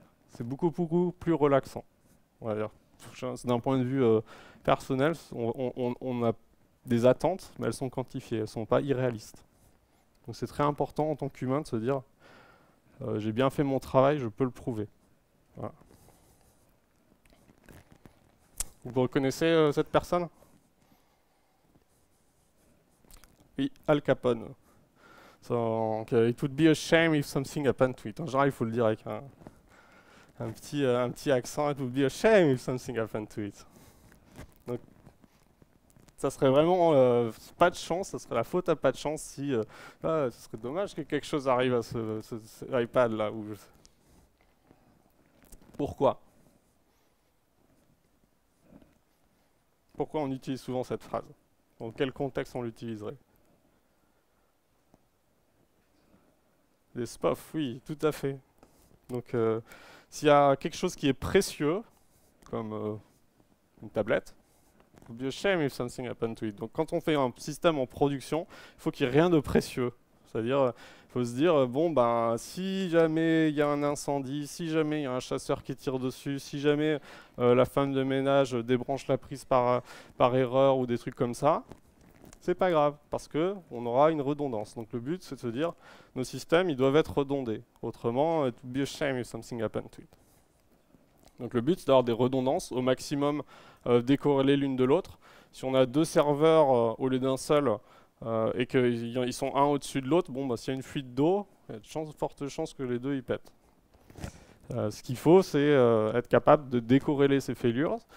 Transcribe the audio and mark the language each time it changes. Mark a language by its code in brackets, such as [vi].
[fr] C'est beaucoup, beaucoup plus relaxant. C'est d'un point de vue personnel, on a des attentes, mais elles sont quantifiées, elles ne sont pas irréalistes. Donc c'est très important en tant qu'humain de se dire « j'ai bien fait mon travail, je peux le prouver voilà. ». Vous reconnaissez cette personne ? Oui, Al Capone. [en] Donc, it would be a shame if something happened to it. [fr] En général, il faut le dire avec un petit accent. [en] It would be a shame if something happened to it. [fr] Donc, ça serait vraiment pas de chance, ça serait la faute à pas de chance si. Ce serait dommage que quelque chose arrive à ce iPad là. Pourquoi ? Pourquoi on utilise souvent cette phrase ? Dans quel contexte on l'utiliserait ? Des spoofs, oui, tout à fait. Donc, s'il y a quelque chose qui est précieux, comme une tablette, [en] it would be a shame if something happened to it. [fr] Donc, quand on fait un système en production, il faut qu'il n'y ait rien de précieux. C'est-à-dire, il faut se dire, bon, ben, si jamais il y a un incendie, si jamais il y a un chasseur qui tire dessus, si jamais la femme de ménage débranche la prise par erreur ou des trucs comme ça, c'est pas grave, parce qu'on aura une redondance. Donc le but, c'est de se dire, nos systèmes, ils doivent être redondés. [en] Autrement, it would be a shame if something happened to it. [fr] Donc le but, c'est d'avoir des redondances, au maximum décorrélées l'une de l'autre. Si on a deux serveurs au lieu d'un seul, et qu'ils sont un au-dessus de l'autre, bon, bah, s'il y a une fuite d'eau, il y a de fortes chances que les deux y pètent. Ce qu'il faut, c'est être capable de décorréler ces failures.